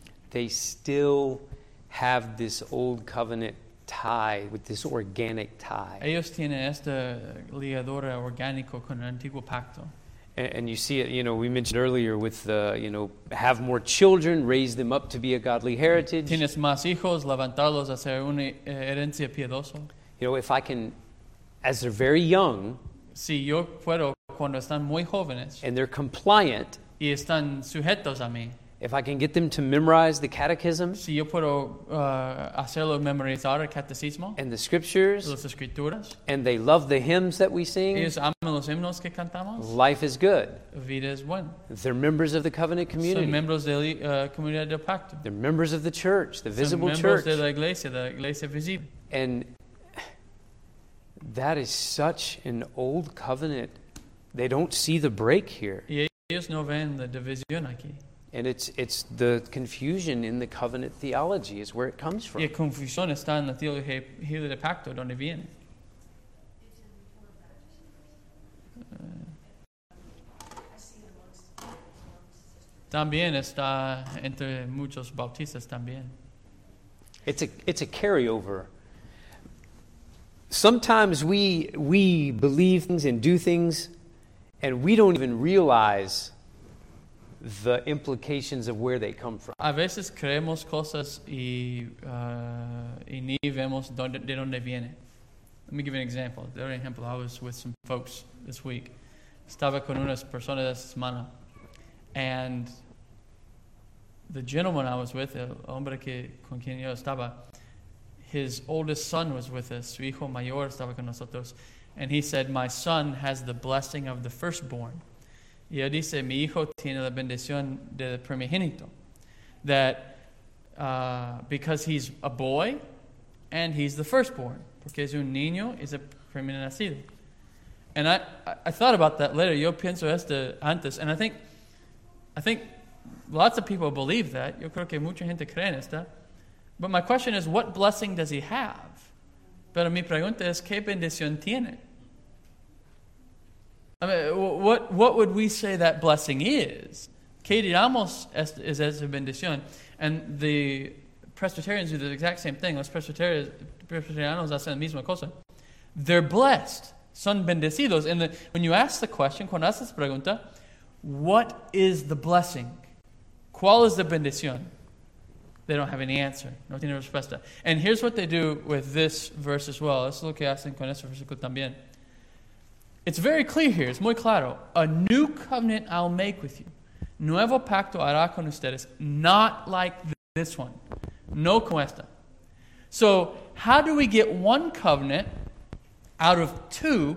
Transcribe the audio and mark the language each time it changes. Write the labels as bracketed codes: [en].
[en] They still have this old covenant tie with this organic tie. [es] Ellos tienen esta ligadura orgánico con el antiguo pacto. [en] And you see it, you know, we mentioned earlier with the, you know, have more children, raise them up to be a godly heritage. [es] Tienes más hijos, levantarlos a ser una herencia piadosa. [en] You know, if I can, as they're very young, [es] si yo puedo, cuando están muy jóvenes, [en] and they're compliant, [es] y están sujetos a mí, [en] if I can get them to memorize the catechism, [es] si yo puedo hacerlo memorizar el catecismo, [en] and the scriptures, [es] las escrituras, [en] and they love the hymns that we sing, [es] ellos aman los himnos que cantamos, [en] life is good. [es] Vida es buena. [en] They're members of the covenant community. [es] Son miembros de la comunidad del pacto. [en] They're members of the church, the [es] Son [en] visible [es] miembros [en] church. [es] De la iglesia visible. [en] And that is such an old covenant. They don't see the break here. [es] Y ellos no ven la división aquí. [en] And it's the confusion in the covenant theology is where it comes from. [es] La confusión está en la teología del pacto, donde viene. También está entre muchos bautistas también. [en] It's a carryover. Sometimes we believe things and do things, and we don't even realize the implications of where they come from. [es] A veces creemos cosas y ni vemos de dónde viene. [en] Let me give you an example. I was with some folks this week, [es] estaba con unas personas esta semana, [en] and the gentleman I was with, [es] el hombre que con quien yo estaba, [en] his oldest son was with us, [es] su hijo mayor estaba con nosotros, [en] and he said, "My son has the blessing of the firstborn." [es] Y él dice, "Mi hijo tiene la bendición del primogénito." [en] That because he's a boy and he's the firstborn. [es] Porque es un niño, es el primer nacido. [en] And I thought about that later. [es] Yo pienso esto antes. [en] And I think lots of people believe that. [es] Yo creo que mucha gente cree en esto. [en] But my question is, what blessing does he have? [es] Pero mi pregunta es, ¿qué bendición tiene? [en] I mean, what would we say that blessing is? [es] ¿Qué diríamos es esa bendición? [en] And the Presbyterians do the exact same thing. [es] Los Presbyterianos hacen la misma cosa. [en] They're blessed. [es] Son bendecidos. [en] And when you ask the question, [es] cuando haces la pregunta, [en] what is the blessing? [es] ¿Cuál es la bendición? [en] They don't have any answer. [es] No tienen respuesta. [en] And here's what they do with this verse as well. [es] Eso es lo que hacen con este versículo también. [en] It's very clear here. It's [es] muy claro. [en] A new covenant I'll make with you. [es] Nuevo pacto hará con ustedes. [en] Not like this one. No como esta. So, how do we get one covenant out of two?